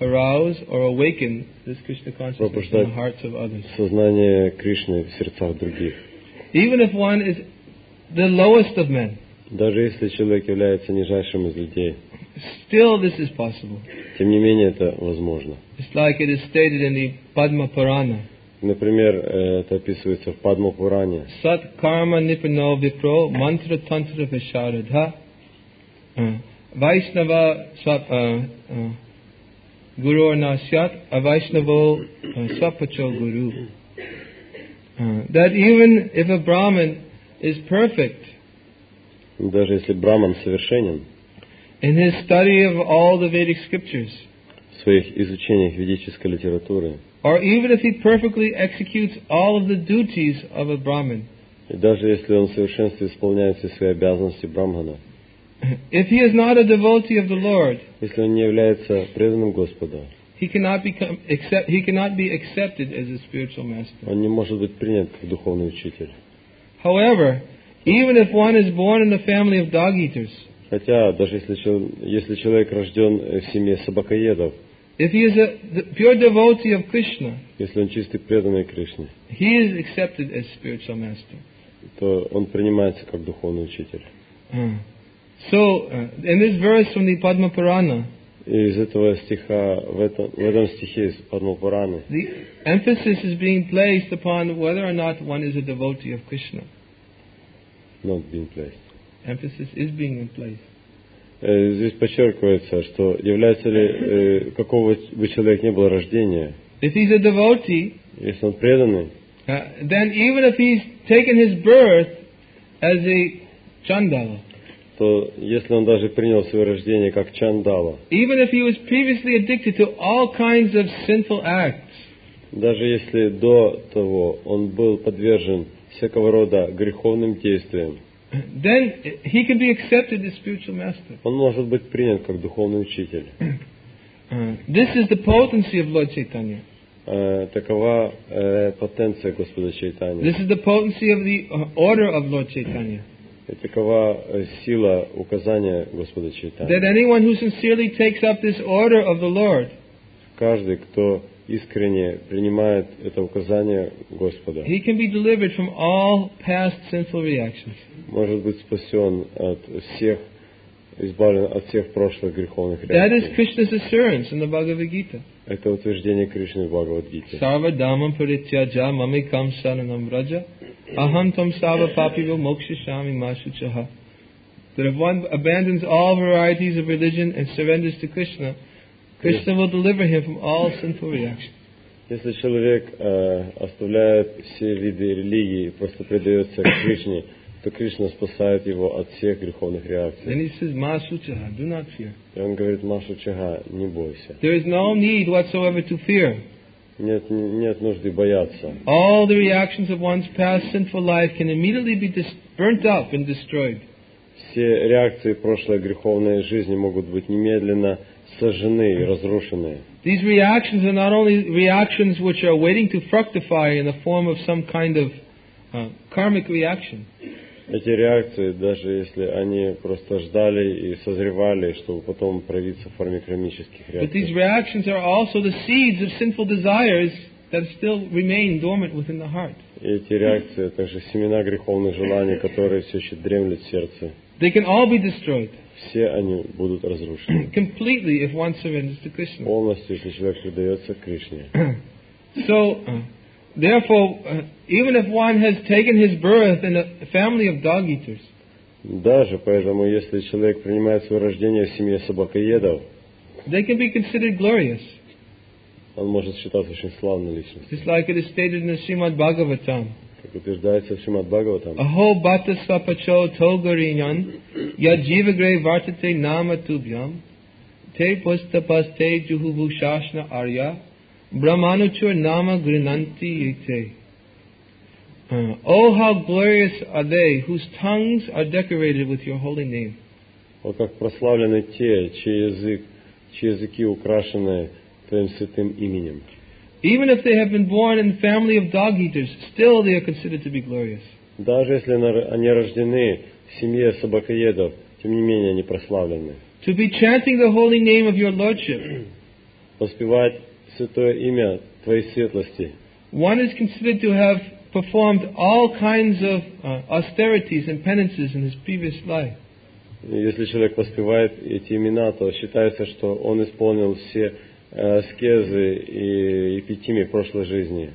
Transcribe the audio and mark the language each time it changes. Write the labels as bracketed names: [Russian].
[English] arouse or awaken this Krishna consciousness in the hearts of others. [Russian] Сознание Кришны в сердцах других. [English] Even if one is the lowest of men. [Russian] Даже если человек является нижайшим из людей. [English] Still, this is possible. [Russian] Тем не менее, это возможно. [English] It's like it is stated in the Padma Purana. [Russian] Например, это описывается в Падма Пуране. [Sanskrit] Сат карма нипано випро мантра тантра вишарадха вайшнава сат гуру насят авайшнаво сапачо гуру. [English] That even if a Brahmin is perfect, [Russian] даже если Брахман совершенен, [English] in his study of all the Vedic scriptures, [Russian] в своих изучениях ведической литературы, [English] or even if he perfectly executes all of the duties of a Brahmin, [Russian] и даже если он в совершенстве исполняет все свои обязанности Брахмана, [English] if he is not a devotee of the Lord, [Russian] если он не является преданным Господа, [English] he cannot be accepted as a spiritual master. [Russian] Он не может быть принят в духовный учитель. [English] However, even if one is born in the family of dog eaters, [Russian] хотя даже если человек рожден в семье собакоедов, [English] if he is a pure devotee of Krishna, [Russian] если он чистый преданный Кришне, [English] he is accepted as spiritual master. [Russian] То он принимается как духовный учитель. [English] So, in this verse from the Padma Purana, [Russian] из этого стиха, в этом стихе из Падма Пураны, [English] the emphasis is being placed upon whether or not one is a devotee of Krishna. Not being placed. Emphasis is being in place. [Russian] Здесь подчеркивается, что является ли какого бы человек ни было рождения, [English] if he's a devotee, [Russian] если он преданный, [English] then even if he's taken his birth as a chandala, [Russian] то если он даже принял свое рождение как чандала, [English] even if he was previously addicted to all kinds of sinful acts, [Russian] даже если до того он был подвержен всякого рода греховным действиям, [English] then he can be accepted as spiritual master. [Russian] Он может быть принят как духовный учитель. [English] This is the potency of Lord Chaitanya. [Russian] Такова потенция Господа Чайтаньи. [English] This is the potency of the order of Lord Chaitanya. [Russian] Такова сила указания Господа Чайтаньи. [English] That anyone who sincerely takes up this order of the Lord, [Russian] каждый, кто искренне принимает это указание Господа, [English] he can be delivered from all past sinful reactions. [Russian] Может быть спасен от всех, избавлен от всех прошлых греховных реакций. [English] That is Krishna's assurance in the Bhagavad Gita. [Russian] Это утверждение Кришны в Бхагавад Гите. [Sanskrit] Сарва дамам паритьяджа мамикам шаранам раджа ахам том сарва папиво мокшишами машучаха. [English] That if one abandons all varieties of religion and surrenders to Krishna, Krishna will deliver him from all sinful reactions. [Russian] Если человек оставляет все виды религии и просто предается Кришне, то Кришна спасает его от всех греховных реакций. [English] Then he says, Masu Chaha, do not fear. [Russian] И он говорит, Masu Chaha, не бойся. [English] There is no need whatsoever to fear. [Russian] Нет нужды бояться. [English] All the reactions of one's past sinful life can immediately be burnt up and destroyed. [Russian] Все реакции прошлой греховной жизни могут быть немедленно сожжены и разрушены. [English] These reactions are not only reactions which are waiting to fructify in the form of some kind of karmic reaction. [Russian] Эти реакции, даже если они просто ждали и созревали, чтобы потом проявиться в форме кармических реакций. [English] But these reactions are also the seeds of sinful desires that still remain dormant within the heart. [Russian] Эти реакции также семена греховных желаний, которые все еще дремлют в сердце. [English] They can all be destroyed. [Russian] Все они будут разрушены. [English] Completely, if one surrenders to Krishna. [Russian] Полностью, если человек предается Кришне. [English] So, therefore, even if one has taken his birth in a family of dog eaters, [Russian] даже поэтому, если человек принимает свое рождение в семье собакоедов, [English] they can be considered glorious. [Russian] Он может считаться очень славной личностью. [English] Just like it is stated in the Srimad Bhagavatam. [Russian] Как утверждается в Шримад Бхагаватам. [Sanskrit] Ахо бата сапачо тогариньян, я дживагрей вартате нама тубьям, те пустапасте джухубу шашна арья, брахманучур нама гринанти ите. [English] Oh, how glorious are they whose tongues are decorated with your holy name. [Russian] О, как прославлены те, чьи языки украшены твоим святым именем. [English] Even if they have been born in the family of dog eaters, still they are considered to be glorious. [Russian] Даже если они рождены в семье собакоедов, тем не менее они прославлены. [English] To be chanting the holy name of your lordship, [Russian] воспевать святое имя твоей светлости. [English] One is considered to have performed all kinds of austerities and penances in his previous life. [Russian] Если человек воспевает эти имена, то считается, что он исполнил все аскезы и эпитимии прошлой жизни.